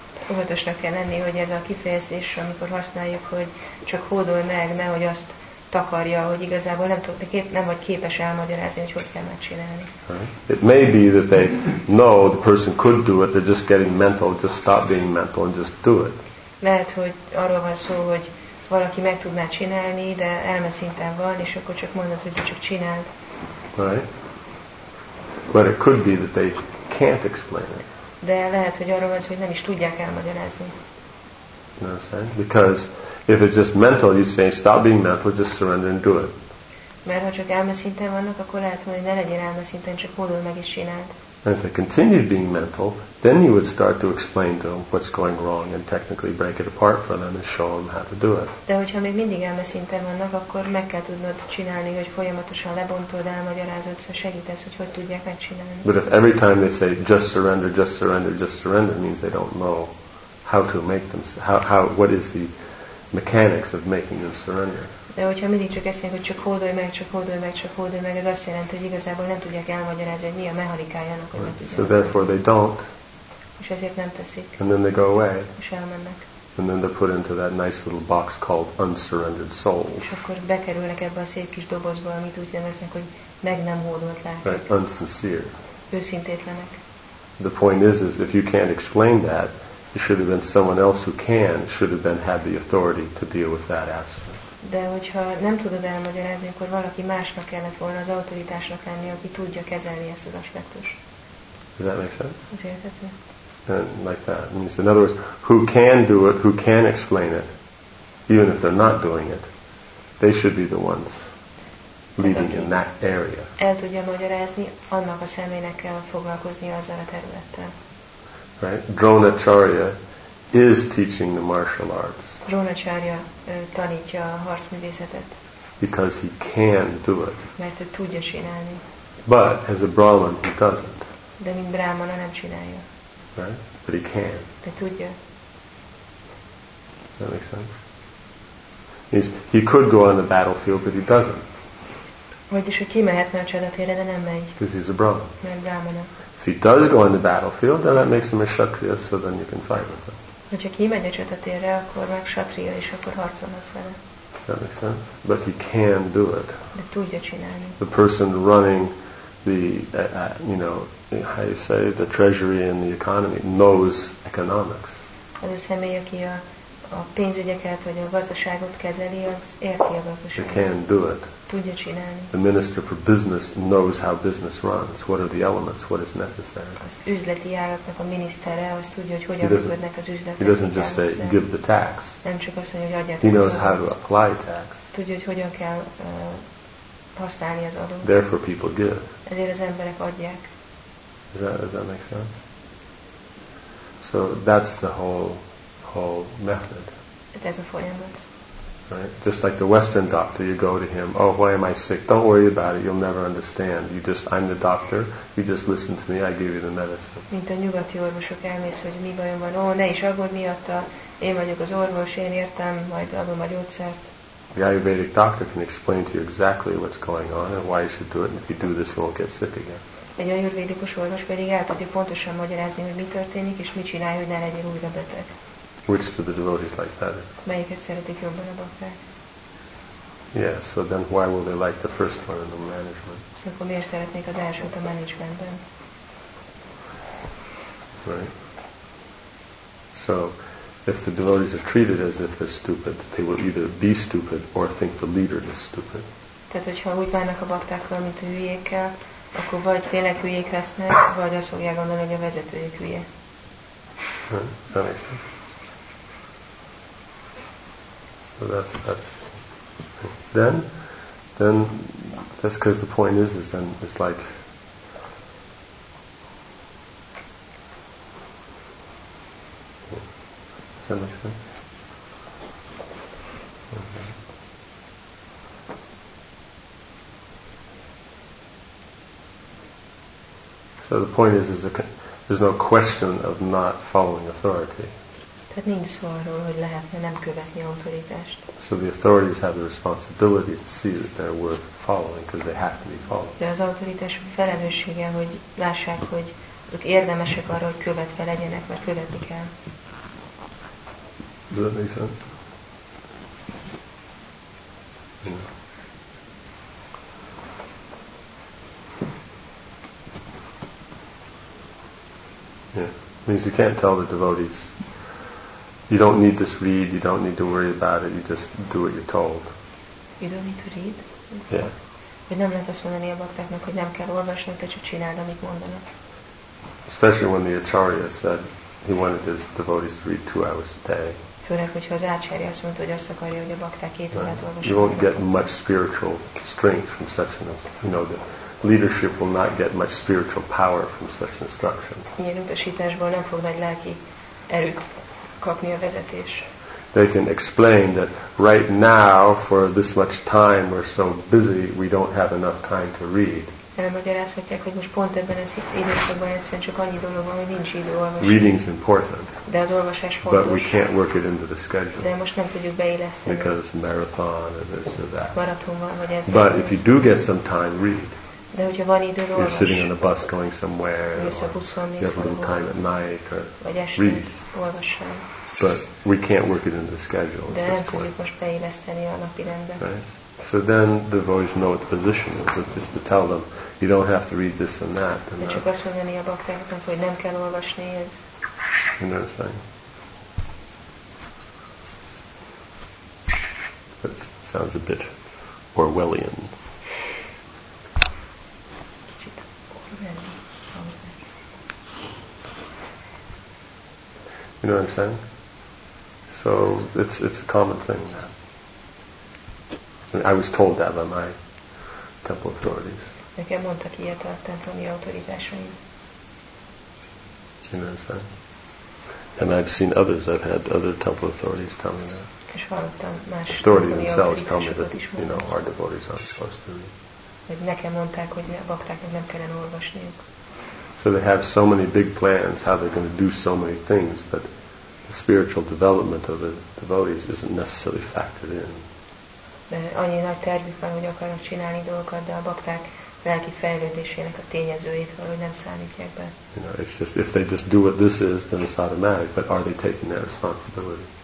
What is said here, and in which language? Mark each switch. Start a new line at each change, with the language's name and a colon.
Hungarian: Óvatosnak kell lenni, hogy ez a kifejezés, amikor használjuk, hogy csak hódolj meg, nehogy azt takarja, hogy igazából nem vagy képes elmagyarázni, hogy hogy kell megcsinálni.
English: Right. It may be that they know the person could do it, they're just getting mental, just stop being mental and just do it.
Hungarian: Lehet, hogy arról van szó, hogy valaki meg tudná csinálni, de elme szinten van, és akkor csak mondod, hogy csak csináld.
English: Right. But it could be that they can't explain it.
Hungarian: De lehet, hogy arról van szó, hogy nem is tudják elmagyarázni.
English: No, sir. Because if it's just mental, you say, stop being mental, just surrender and do it.
Hungarian: Mert ha csak elme szinten vannak, akkor lehet, hogy ne legyél elme szinten, csak hódolj meg és csináld.
English: And if it continued being mental, then you would start to explain to them what's going wrong and technically break it apart for them and show them how to do it.
Hungarian: De hogyha még mindig elmeszinten vannak, akkor meg kell tudnod csinálni, hogy folyamatosan lebontod, elmagyarázod, szóval segítesz, hogy hogy tudják megcsinálni.
English: But if every time they say just surrender, just surrender, just surrender, means they don't know how to make them, how what is the mechanics of making them surrender.
Hungarian: De hogyha mindig csak eszélyek, hogy csak hódolj meg, csak hódolj meg, csak hódolj meg, ez azt jelenti, hogy igazából nem tudják elmagyarázni, hogy mi a mechanikájának, hogy
English: right. So therefore they don't.
Hungarian: És ezért nem teszik.
English: And then they go away.
Hungarian: És elmennek.
English: And then they're put into that nice little box called unsurrendered soul.
Hungarian: És akkor bekerülnek ebbe a szép kis dobozba, amit úgy neveznek, hogy meg nem hódolt lelkek.
English: Right, unsincere.
Hungarian: Őszintétlenek.
English: The point is if you can't explain that, it should have been someone else who can, should have been had the authority to deal with that aspect.
Hungarian: De hogyha nem tudod elmagyarázni, akkor valaki másnak kellett volna az autoritásnak lenni, aki tudja kezelni ezt az aspektust.
English: Does that make sense?
Hungarian: Ez érthető.
English: Like that. Means in other words, who can do it, who can explain it, even if they're not doing it, they should be the ones leading in that area.
Hungarian: El tudja magyarázni, annak a személynek kell foglalkozni azzal a területtel.
English: Right? Dronacharya is teaching the martial arts.
Hungarian: Dronacharya tanítja a harcművészetet.
English: Because he can do it.
Hungarian: Mert ő tudja csinálni.
English: But as a brahman he doesn't.
Hungarian: De mint brahmana nem csinálja.
English: Right? But he can.
Hungarian: De tudja.
English: Does that make sense? He could go on the battlefield, but he doesn't.
Hungarian: Vagyis ő kimehetne a csatatérre, de nem megy.
English: Because he's a brahman.
Hungarian: Mert brahmana.
English: If he does go on the battlefield, then that makes him a kshatriya, so then you can fight with him.
Hungarian: Hogyha kimegy a csatatérre, akkor meg kshatriya, és akkor harcolhatsz vele.
English: That makes sense. But he can do it.
Hungarian: De tudja csinálni.
English: The person running the, you know, how you say, the treasury and the economy knows economics.
Hungarian: Az a személy, aki a pénzügyeket vagy a gazdaságot kezeli, az érti a gazdaságot.
English: He can do it.
Hungarian: Tudja csinálni.
English: The minister for business knows how business runs. What are the elements? What is necessary?
Hungarian: Az üzleti ágaknak a minisztere, az tudja, hogy hogyan működnek az üzletek.
English: He doesn't just say, give the tax.
Hungarian: Nem csak azt mondja, hogy adjátok
English: tax. He knows how to apply tax.
Hungarian: Tudja, hogy hogyan kell használni az adót.
English: Therefore people give.
Hungarian: Ezért az emberek adják.
English: Does that make sense? So that's the whole method. It has a
Hungarian: folyamat.
English: Right? Just like the Western doctor, you go to him, oh, why am I sick? Don't worry about it, you'll never understand. I'm the doctor, you just listen to me, I give you the medicine.
Hungarian: Mint a nyugati orvosok elmész, hogy mi bajom van, ne is aggódj miatta, én vagyok az orvos, én értem, majd adom a gyógyszert.
English: The Ayurvedic doctor can explain to you exactly what's going on and why you should do it, and if you do this, you won't get sick again.
Hungarian: Egy ayurvédikus orvos pedig el tudja pontosan magyarázni, hogy mi történik, és mit csinálj, hogy ne legyél újra beteg.
English: Which to the devotees like that?
Hungarian: Melyiket szeretik jobban a bakták?
English: Yeah, so then why will they like the first one in the management?
Hungarian: So akkor miért szeretnék az elsőt a managementben?
English: Right. So, if the devotees are treated as if they're stupid, they will either be stupid or think the leader is stupid.
Hungarian: Tehát, hogyha úgy válnak a baktákkal, mint a hülyékkel, akkor vagy tényleg hülyék lesznek, vagy azt fogják gondolni, hogy a vezetőjük hülye.
English: Right. That makes sense. So that's then that's because the point is then it's like does that make sense? Mm-hmm. So the point is there's no question of not following authority.
Hungarian: Tehát nincs szó arról, hogy lehetne nem követni autoritást.
English: So the authorities have the responsibility to see that they're worth following, because they have to be followed.
Hungarian: De az autoritás felelőssége, hogy lássák, hogy ők érdemesek arra, hogy követve legyenek, mert követni kell.
English: Does that make sense? Yeah. Yeah. It means you can't tell the devotees. You don't need to read, you don't need to worry about it, you just do what you're told. You don't need to read? Yeah.
Hungarian: Nem lehet azt mondani a baktáknak, hogy nem kell olvasni, te csak csináld, amit mondanak.
English: Especially when the Acharya said he wanted his devotees to read 2 hours a day.
Hungarian: Főleg, hogyha az Acharya azt mondta, hogy azt akarja, hogy a bakták 2 órát olvasnak.
English: You won't get much spiritual strength from such an, you know, leadership will not get much spiritual power from such instruction.
Hungarian: Ilyen utasításból nem fog nagy lelki erőt kapni a vezetés.
English: They can explain that right now, for this much time, we're so busy, we don't have enough time to read.
Hungarian: Elmagyarázhatják, hogy most pont ebben az időszakban egyszerűen csak annyi dolog van, hogy nincs idő olvasni.
English: Reading's important.
Hungarian: De az olvasás fontos.
English: But we can't work it into the schedule.
Hungarian: De most nem tudjuk beilleszteni.
English: Because marathon and this or that.
Hungarian: Maraton van, vagy ez.
English: But if you do get some time, read.
Hungarian: De hogyha van idő, olvas.
English: You're sitting on a bus going somewhere. Or you have a little time at night. Or
Hungarian: vagy este
English: read.
Hungarian: Olvasan.
English: But we can't work it into the schedule.
Hungarian: De nem tudjuk most beilleszteni a napi rendbe.
English: Right? So then the devotees know what the position is, but just to tell them, you don't have to read this and that. And
Hungarian: csak azt mondani a baktáknak, hogy nem kell olvasni ez.
English: You know what I'm saying? That sounds a bit Orwellian. You know what I'm saying? So it's a common thing now. I was told that by my temple authorities.
Hungarian: Nekem mondtak ilyet a templomi autoritásaim.
English: You know what I'm saying? And I've seen others. I've had other temple authorities tell me that.
Hungarian: És hallottam más.
English: Authority themselves tell me that, you know, our devotees aren't supposed to read.
Hungarian: Nekem mondták, hogy a baktáknak nem kellene olvasniuk.
English: So they have so many big plans, how they're going to do so many things, but the spiritual development of the devotees isn't necessarily factored in.
Hungarian: Annyi nagy tervük van, hogy akarnak csinálni dolgokat, de a bakták lelki fejlődésének a tényezőjét valahogy nem számítják be.
English: You know, it's just, if they just do what this is, then it's automatic, but are they taking that responsibility?